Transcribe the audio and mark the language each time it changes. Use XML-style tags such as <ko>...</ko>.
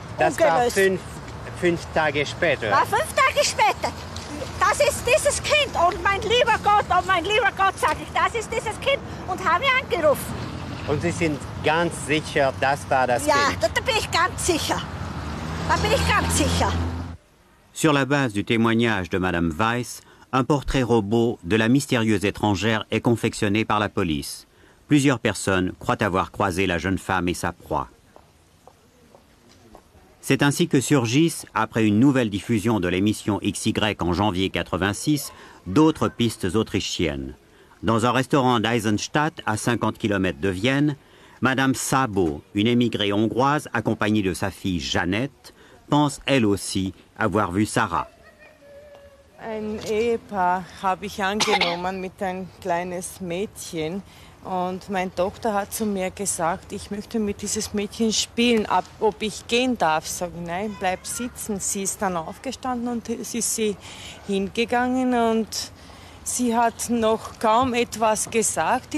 <de>Das war fünf Tage später. War fünf Tage später. das ist dieses Kind. Und mein lieber Gott, sage ich, das ist dieses Kind. Und habe ihn angerufen. Und Sie sind ganz sicher, das war das ja, Kind? Ja, da bin ich ganz sicher. Da bin ich ganz sicher.</de> <fr>Sur la base du témoignage de Madame Weiss, un portrait robot de la mystérieuse étrangère est confectionné par la police. Plusieurs personnes croient avoir croisé la jeune femme et sa proie. C'est ainsi que surgissent, après une nouvelle diffusion de l'émission XY en janvier 86, d'autres pistes autrichiennes. Dans un restaurant d'Eisenstadt, à 50 km de Vienne, Madame Szabo, une émigrée hongroise accompagnée de sa fille Jeannette, pense elle aussi avoir vu Sarah.</fr> <de>Ein Ehepaar habe ich angenommen mit ein kleines Mädchen und meine Tochter hat zu mir gesagt, ich möchte mit dieses Mädchen spielen, ob ich gehen darf. Sag ich, nein, bleib sitzen. Sie ist dann aufgestanden und es ist sie hingegangen und sie hat noch kaum etwas gesagt.</de>